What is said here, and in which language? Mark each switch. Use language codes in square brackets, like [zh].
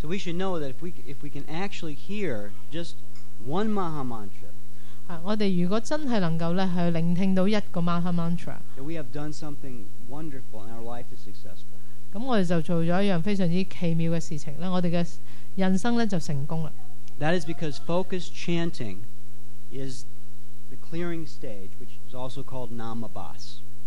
[en] So we should know that if we can actually hear just one maha mantra, [zh] 我们如果真的能够去聆听到一个maha mantra, [en] then we have done something wonderful and our life is successful. [zh] 我们就做了一样非常奇妙的事情，我们的人生就成功了。 [en] That is because focused chanting is the clearing stage, which is also called namabhas.